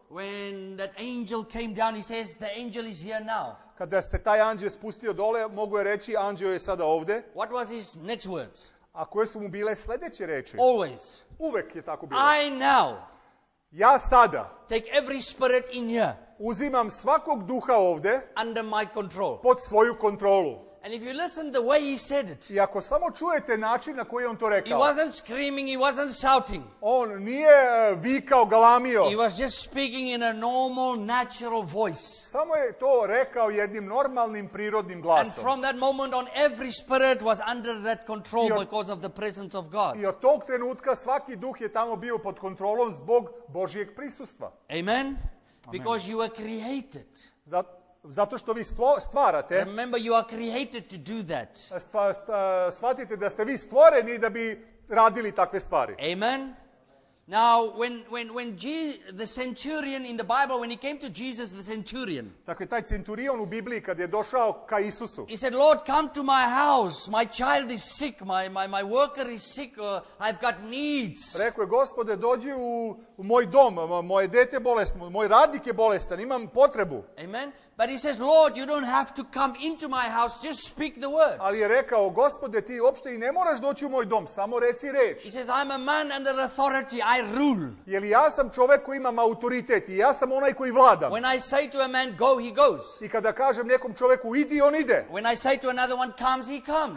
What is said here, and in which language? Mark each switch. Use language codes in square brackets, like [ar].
[en] When that angel came down, he says, the angel is here now. [sr] Kada se taj anđel spustio dole, mogu je reći, anđel je sada ovde. [en] What was his next words? [sr] A koje su mu bile sljedeće reči? [en] Always. [sr] Uvek je tako bilo. [en] I now. [sr] Ja sada. [en] Take every spirit in here. [sr] Uzimam svakog duha ovde. [en] Under my control. [sr] Pod svoju kontrolu. [en] And if you listen the way he said it. [sr] I ako samo čujete način na koji on to rekao. [en] He wasn't screaming, he wasn't shouting. [sr] On nije vikao, galamio. [en] He was just speaking in a normal, natural voice. [sr] Samo je to rekao jednim normalnim, prirodnim glasom. [en] And from that moment on, every spirit was under that control because of the presence of God. [sr] I od tog trenutka svaki duh je tamo bio pod kontrolom zbog Božijeg prisustva. [en] Amen. Because you were created. [sr] Zato što vi stvarate. [en] Remember, you are created to do that. [sr] Shvatite da ste vi stvoreni da bi radili takve stvari. [en] Amen. Now, when the centurion in the Bible, when he came to Jesus, the centurion. [sr] Dakle, taj centurion u Bibliji kad je došao ka Isusu. [en] He said, Lord, come to my house. My child is sick. My worker is sick. I've got needs. [sr] Rekao je, Gospode, dođi u moj dom. Moje dete bolestno. Moj radnik je bolestan. Imam potrebu. [en] Amen. But he says, Lord, you don't have to come into my house, just speak the word. [sr] Ali je rekao, Gospode, ti uopšte i ne moraš doći u moj dom, samo reci reč. [en] He says, I'm a man under authority, I rule. [sr] Jeli ja sam čovjek koji imam autoritet i ja sam onaj koji vladam. [en] When I say to a man, go, he goes. [sr] I kada kažem nekom čovjeku, idi, on ide. [en] When I say to another one, comes, he comes.